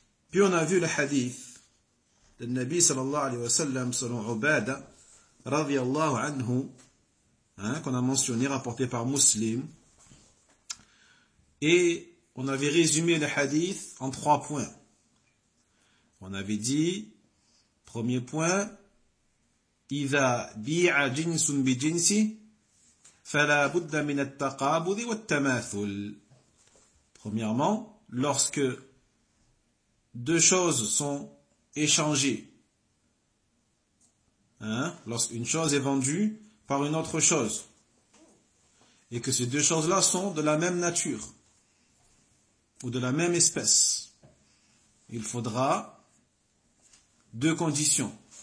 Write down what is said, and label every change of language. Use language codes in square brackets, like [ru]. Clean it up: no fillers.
[fr] Puis on a vu le hadith de Nabi sallallahu alayhi wa sallam selon Ubada radiallahu anhu, hein, qu'on a mentionné, rapporté par Muslim. Et on avait résumé le hadith en trois points. On avait dit, premier point, [ar] إِذَا بِيعَ جِنْسٌ بِجِنْسِ فَلَا بُدَّ مِنَ التَّقَابُضِ وَالتَّمَاثُلِ. [fr] Premièrement, lorsque deux choses sont échangées, hein, lorsqu'une chose est vendue par une autre chose, et que ces deux choses-là sont de la même nature, ou de la même espèce, il faudra deux conditions.